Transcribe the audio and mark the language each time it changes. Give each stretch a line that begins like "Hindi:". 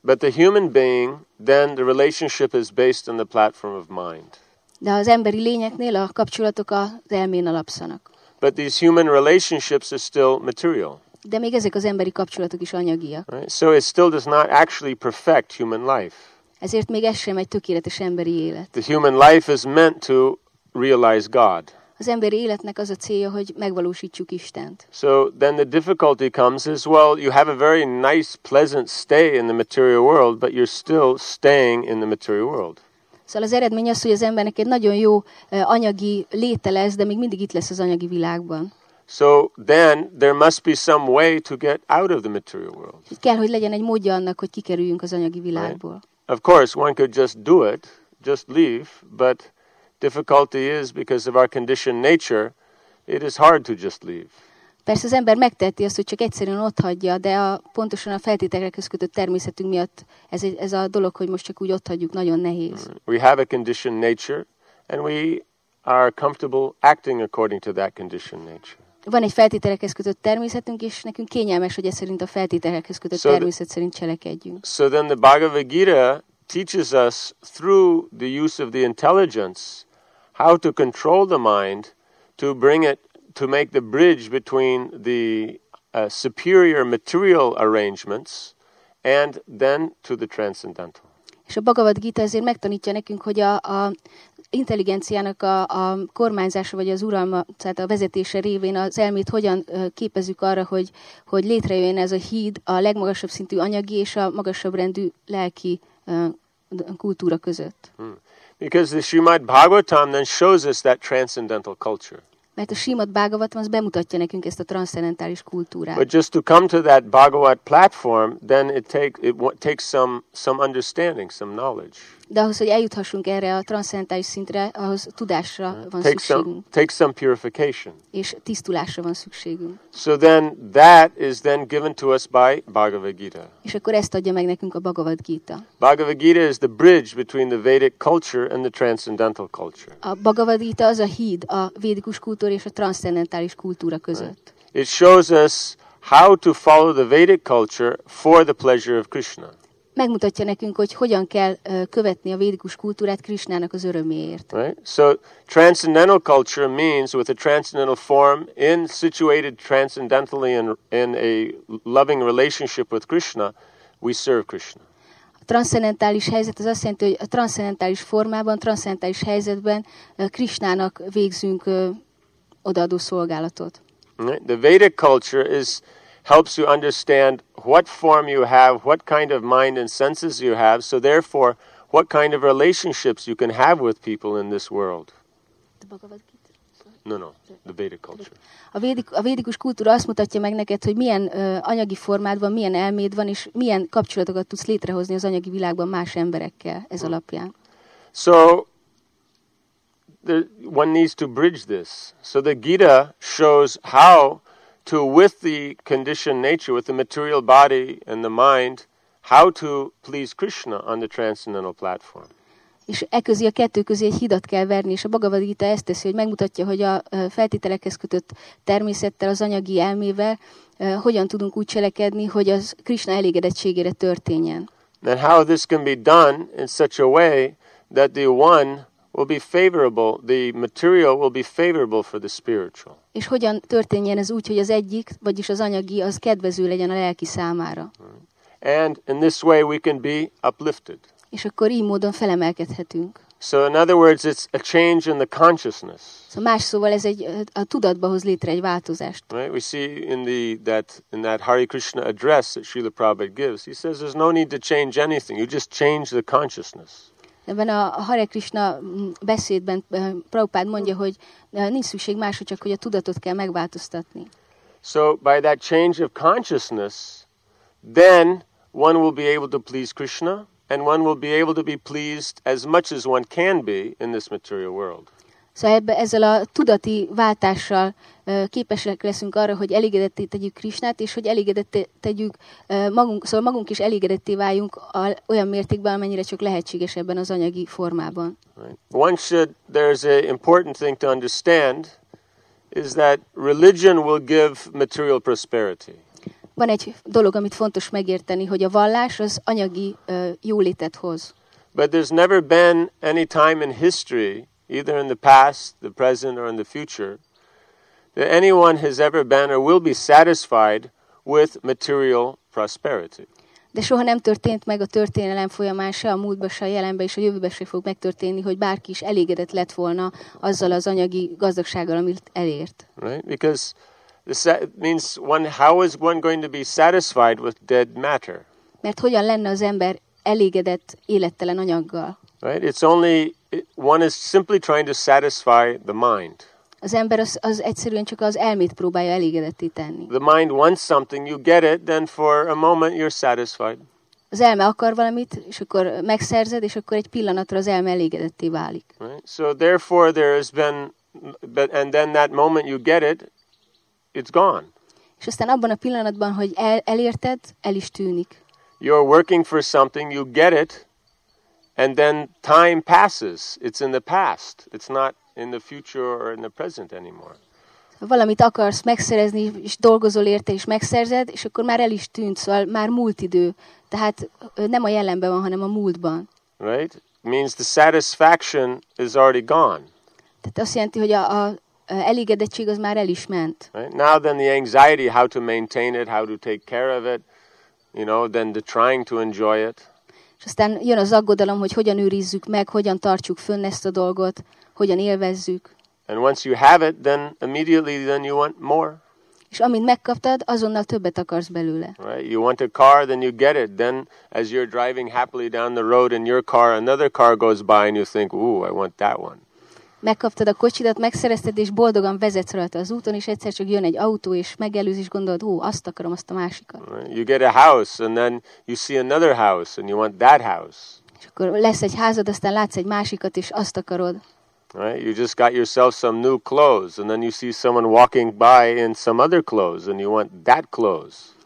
English: But the human being, then the relationship is based on the platform of mind.
Hungarian: De az emberi lényeknél a kapcsolatok az elmén alapszanak.
English: But these human relationships are still material.
Hungarian: De még ezek az emberi kapcsolatok is anyagiak.
English: Right? So it still does not actually perfect human life.
Hungarian: Ezért még ez sem egy tökéletes emberi élet.
English: The human life is meant to realize God.
Hungarian: Az emberi életnek az a célja, hogy megvalósítsuk Istent.
English: So then the difficulty comes is, well, you have a very nice, pleasant stay in the material world, but you're still staying in the material world.
Hungarian: Szóval az eredmény az, hogy az embernek egy nagyon jó anyagi léte lesz, de még mindig itt lesz az anyagi világban.
English: So then there must be some way to get out of the material world.
Hungarian: Kell, hogy legyen egy módja annak, hogy kikerüljünk az anyagi világból.
English: Right? Of course, one could just do it, just leave, but difficulty is because of our conditioned nature, it is hard to just leave.
Hungarian: Persze az ember megteheti azt, hogy csak egyszerűen ott hagyja, de pontosan a feltételekhez kötött természetünk miatt ez a dolog, hogy most csak úgy ott hagyjuk, nagyon nehéz.
English: We have a conditioned nature, and we are comfortable acting according to that conditioned nature.
Hungarian: Van egy feltételekhez kötött természetünk, és nekünk kényelmes, hogy ez szerint a feltételekhez kötött természet szerint cselekedjünk.
English: So then the Bhagavad Gita teaches us through the use of the intelligence how to control the mind to bring it to make the bridge between the superior material arrangements and then to the transcendental.
Hungarian: És a Bhagavad Gita ezért megtanítja nekünk, hogy a intelligenciának a kormányzása, vagy az uralma, tehát a vezetése révén az elmét hogyan képezzük arra, hogy létrejöjjön ez a híd a legmagasabb szintű anyagi és a magasabb rendű lelki kultúra között.
English: Because the Srimad Bhagavatam then shows us that transcendental culture.
Hungarian: Mert a Srimad Bhagavatam az bemutatja nekünk ezt a transzcendentális kultúrát.
English: But just to come to that Bhagavat platform, then it takes some understanding, some knowledge.
Hungarian: De ahhoz, hogy eljuthassunk erre a transzcendentális szintre, ahhoz tudásra van szükségünk.
English: Take some purification.
Hungarian: És tisztulásra van szükségünk.
English: So then that is then given to us by Bhagavad Gita.
Hungarian: És akkor ezt adja meg nekünk a Bhagavad Gita.
English: Bhagavad Gita is the bridge between the Vedic culture and the transcendental culture.
Hungarian: A Bhagavad Gita az a híd a védikus kultúra és a transzcendentális kultúra között.
English: Right. It shows us how to follow the Vedic culture for the pleasure of Krishna.
Hungarian: Megmutatja nekünk, hogy hogyan kell követni a védikus kultúrát Krisnának az öröméért.
English: Right? So transcendental culture means with a transcendental form in situated transcendentally in a loving relationship with Krishna, we serve Krishna.
Hungarian: A transzcendentális helyzet az azt jelenti, hogy a transzcendentális formában, transzcendentális helyzetben Krisnának végzünk odaadó szolgálatot.
English: Right? The Vedic culture is helps you understand what form you have, what kind of mind and senses you have, so therefore, what kind of relationships you can have with people in this world. The Bhagavad Gita? No, the Vedic culture.
Hungarian: A védikus kultúra azt mutatja meg neked, hogy milyen anyagi formád van, milyen elméd van, és milyen kapcsolatokat tudsz létrehozni az anyagi világban más emberekkel ez alapján.
English: So, one needs to bridge this. So the Gita shows how to with the conditioned nature, with the material body and the mind, how to please Krishna on the transcendental platform.
Hungarian: És eközé a kettő közé egy hidat kell verni, és a Bhagavad Gita ezt teszi, hogy megmutatja, hogy a feltételekhez kötött természettel, az anyagi elmével hogyan tudunk úgy cselekedni, hogy az Krishna elégedettségére történjen.
English: And how this can be done in such a way that the one will be favorable, the material will be favorable for the spiritual.
Hungarian: És hogyan történjen ez úgy, hogy az egyik, vagyis az anyagi, az kedvező legyen a lelki számára.
English: And in this way we can be uplifted.
Hungarian: És akkor így módon felemelkedhetünk.
English: So in other words, it's a change in the consciousness.
Hungarian: So más szóval ez egy a tudatba hoz létre egy változást.
English: Right? We see in that Hare Krishna address that Srila Prabhupada gives, he says there's no need to change anything, you just change the consciousness.
Hungarian: Ebben a Hare Krishna beszédben Prabhupád mondja, hogy nincs szükség másra, csak hogy a tudatot kell megváltoztatni.
English: So by that change of consciousness, then one will be able to please Krishna, and one will be able to be pleased as much as one can be in this material world.
Hungarian: Szóval ezzel a tudati váltással képesek leszünk arra, hogy elégedetté tegyük Krisnát, és hogy elégedetté tegyük magunk, szóval magunk is elégedetté váljunk olyan mértékben, amennyire csak lehetséges ebben az anyagi formában.
English: Right. One should, there's an important thing to understand, is that religion will give material prosperity.
Hungarian: Van egy dolog, amit fontos megérteni, hogy a vallás az anyagi jólétet hoz.
English: But there's never been any time in history, either in the past, the present, or in the future, that anyone has ever been or will be satisfied with material prosperity.
Hungarian: De soha nem történt meg a történelem folyamán, se a múltban, se a jelenben, és a jövőben se fog megtörténni, hogy bárki is elégedett lett volna azzal az anyagi gazdagsággal, amit elért.
English: Right? Because this means one, how is one going to be satisfied with dead matter?
Hungarian: Mert hogyan lenne az ember elégedett élettelen anyaggal?
English: Right? It's only one is simply trying to satisfy the mind.
Hungarian: Az ember az egyszerűen csak az elmét próbálja elégedetté tenni.
English: The mind wants something, you get it, then for a moment you're satisfied.
Hungarian: Az elme akar valamit, és akkor megszerzed, és akkor egy pillanatra az elme elégedetté válik.
English: Right? So therefore there has been, and then that moment you get it, it's gone.
Hungarian: És aztán abban a pillanatban, hogy elérted, el is tűnik.
English: You're working for something, you get it, and then time passes. It's in the past. It's not in the future or in the present anymore.
Hungarian: Valamit akarsz megszerezni, és dolgozol érte, és megszerzed, és akkor már el is tűnt, szóval már múlt idő. Tehát nem a jelenben van, hanem a múltban.
English: Right? Means the satisfaction is already gone.
Hungarian: Tehát azt jelenti, hogy a elégedettség az már el is ment.
English: Right? Now then the anxiety, how to maintain it, how to take care of it, you know, then the trying to enjoy it.
Hungarian: És aztán jön az aggodalom, hogy hogyan őrizzük meg, hogyan tartsuk fönn ezt a dolgot, hogyan élvezzük.
English: And once you have it, then immediately then you want more.
Hungarian: És amint megkaptad, azonnal többet akarsz belőle.
English: Right? You want a car, then you get it. Then as you're driving happily down the road in your car, another car goes by and you think, "Ooh, I want that one."
Hungarian: Megkaptad a kocsidat, megszerezted és boldogan vezetsz rajta az úton, és egyszer csak jön egy autó és megelőz és gondolod, "Ó, azt akarom, azt a másikat."
English: Right? You get a house and then you see another house and you want that house.
Hungarian: És akkor lesz egy házad, aztán látsz egy másikat és azt akarod.
English: Right? You just got yourself some new clothes, and then you see someone walking by in some other clothes, and you want that clothes.